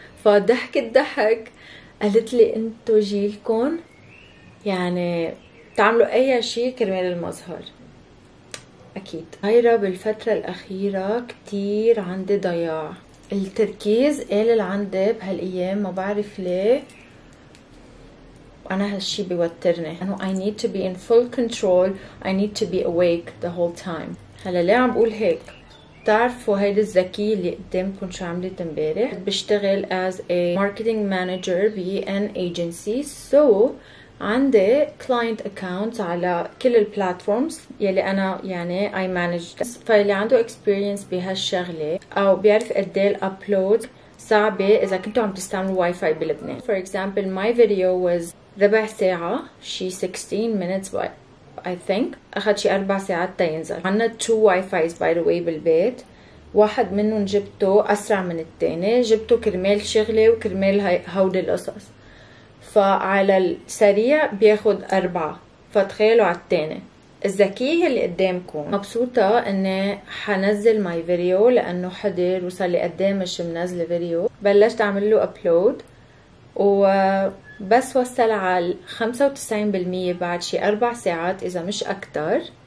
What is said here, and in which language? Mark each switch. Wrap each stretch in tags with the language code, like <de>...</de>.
<ar>فضحكت ضحك، قالت لي انتو جيلكم يعني تعملوا اي شيء كرمال المظهر. اكيد غيره بالفتره الاخيره كتير عندي ضياع، التركيز قلل عندي بهالايام ما بعرف ليه، وانا هالشي بيوترني.</ar> <en>I need to be in full control. I need to be awake the whole time.</en> <ar>هلا ليه عم بقول هيك؟ بتعرفوا هيدي الذكية اللي قدامكم شو عملت امبارح؟ بشتغل</ar> <en>as a marketing manager</en> <ar>ب</ar> <en>an agency.</en> <ar>So عندي</ar> <en>client accounts</en> <ar>على كل البلاتفورمز يلي انا يعني</ar> <en>I manage.</en> <ar>فاللي عنده experience بهالشغلة او بيعرف قد ايه الابلود صعبة اذا كنتوا عم تستعملوا واي فاي بلبنان.</ar> <en>For example my video was</en> <ar>ربع ساعة، شي</ar> <en>16 minutes I think،</en> <ar>أخذ شي 4 ساعات تينزل. عنا 2 واي فايز باي ذا واي بالبيت، واحد منهم جبته أسرع من التاني، جبته كرمال شغلي وكرمال هودي القصص. فعلى السريع بياخد 4، فتخيلوا على التاني. الذكية اللي قدامكم مبسوطة إني حنزل ماي فيديو لأنه حضر وصار لي قد ايه مش منزلة فيديو، بلشت أعمل له أبلود و بس وصل على 95% بعد شي 4 ساعات اذا مش اكتر.</ar>